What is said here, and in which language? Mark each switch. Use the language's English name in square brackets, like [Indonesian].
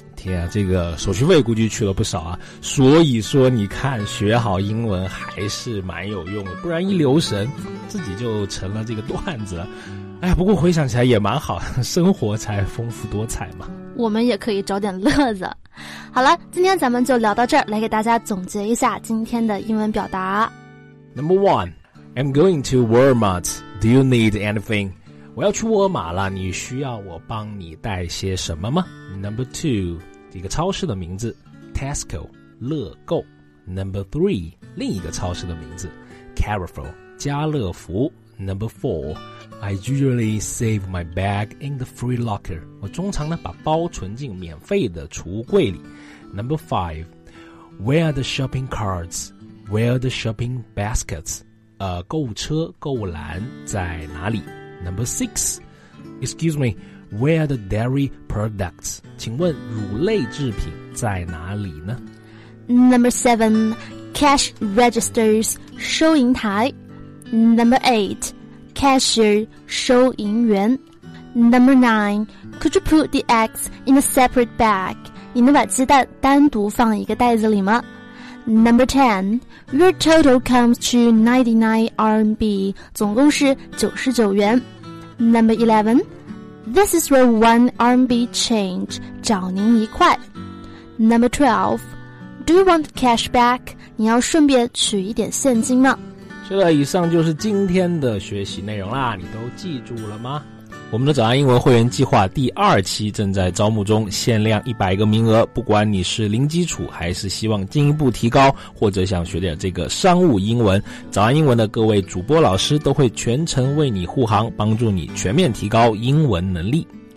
[Chinese] 天啊，这个手续费估计去了不少啊，所以说你看学好英文还是蛮有用的，不然一留神自己就成了这个段子了。哎，不过回想起来也蛮好，生活才丰富多彩嘛，我们也可以找点乐子。好了，今天咱们就聊到这儿，来给大家总结一下今天的英文表达。 [English] Number one, I'm going to Walmart. Do you need anything? [Chinese] 我要去沃尔玛了，你需要我帮你带些什么吗？ [English] Number two, [Chinese] 一个超市的名字 Tesco, 乐购。 [English] Number three, [Chinese] 另一个超市的名字 Carrefour, 家乐福。 [English] Number four, I usually save my bag in the free locker, [Chinese] 我通常呢把包存进免费的储物柜里。 [English] Number five, Where are the shopping carts? Where are the shopping baskets? [Chinese] 购物车购物篮在哪里？ [English] Number six, excuse me, where are the dairy products? [Chinese] 请问乳类制品在哪里呢？ [English] Number seven, cash registers, [Chinese] 收银台。 [English] Number eight, cashier, [Chinese] 收银员。 [English] Number nine, could you put the eggs in a separate bag? [Chinese] 你能把鸡蛋单独放一个袋子里吗？ [English] Number 10, your total comes to 99 RMB, [Chinese] 总共是99元。 [English] Number 11, this is your 1 RMB change, [Chinese] 找您一块。 [English] Number 12, do you want cash back? [Chinese] 你要顺便取一点现金吗？是的，以上就是今天的学习内容啦，你都记住了吗？我们的早安英文会员计划第二期正在招募中，限量100个名额，不管你是零基础还是希望进一步提高，或者想学点这个商务英文，早安英文的各位主播老师都会全程为你护航，帮助你全面提高英文能力。